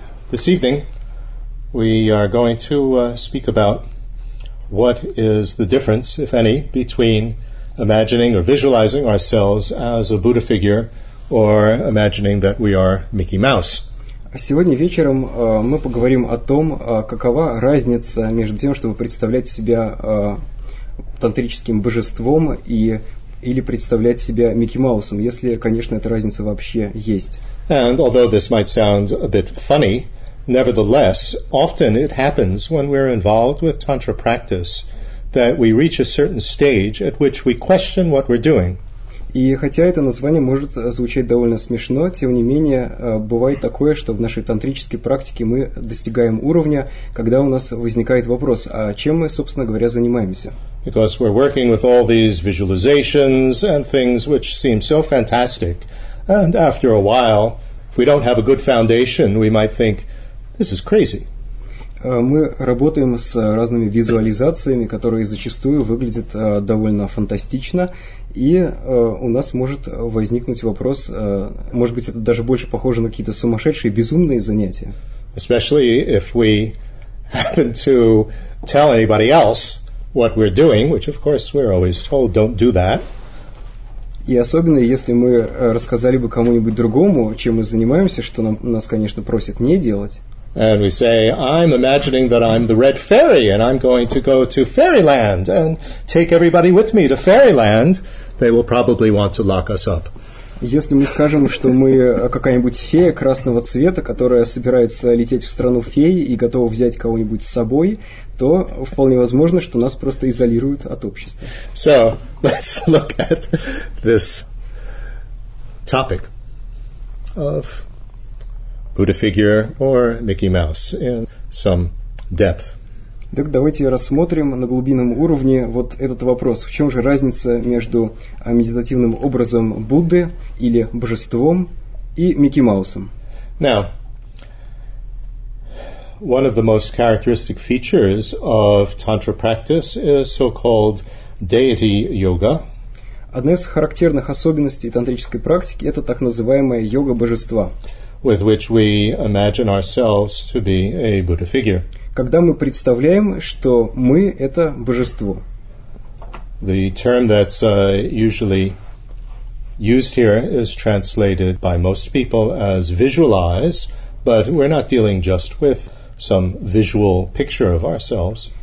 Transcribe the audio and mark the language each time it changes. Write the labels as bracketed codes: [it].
[en] This evening, we are going to speak about what is the difference, if any, between imagining or visualizing ourselves as a Buddha figure or imagining that we are Mickey Mouse. [ru] Сегодня вечером мы поговорим о том, какова разница между тем, чтобы представлять себя тантрическим божеством и или представлять себя Микки Маусом, если, конечно, эта разница вообще есть. [en] And although this might sound a bit funny, nevertheless, often it happens when we're involved with tantra practice that we reach a certain stage at which we question what we're doing. [ru] И хотя это название может звучать довольно смешно, тем не менее, бывает такое, что в нашей тантрической практике мы достигаем уровня, когда у нас возникает вопрос, а чем мы, собственно говоря, занимаемся? [en] Because we're working with all these visualizations and things which seem so fantastic. And after a while, if we don't have a good foundation, we might think, this is crazy. [ru] Мы работаем с разными визуализациями, которые зачастую выглядят довольно фантастично, и у нас может возникнуть вопрос, может быть, это даже больше похоже на какие-то сумасшедшие, безумные занятия. [en] Especially if we happen to tell anybody else what we're doing, which, of course, we're always told, don't do that. [ru] И особенно, если мы рассказали бы кому-нибудь другому, чем мы занимаемся, что нас, конечно, просят не делать. [en] And we say, I'm imagining that I'm the red fairy and I'm going to go to fairyland and take everybody with me to fairyland, they will probably want to lock us up. [ru] Если мы скажем, что мы какая-нибудь фея красного цвета, которая собирается лететь в страну фей и готова взять кого-нибудь с собой, то вполне возможно, что нас просто изолируют от общества. [en] So, let's look at this topic of Buddha figure or Mickey Mouse in some depth. [ru] Так давайте рассмотрим на глубинном уровне вот этот вопрос. В чем же разница между медитативным образом Будды или божеством и Микки Маусом? [en] Now, one of the most characteristic features of tantra practice is so-called deity yoga. [ru] Одна из характерных особенностей тантрической практики – это так называемая йога божества. [en] With which we imagine ourselves to be a Buddha figure. [ru] Когда мы представляем, что мы – это божество. [en] The term that's usually used here is translated by most people as visualize, but we're not dealing just with some visual picture of ourselves.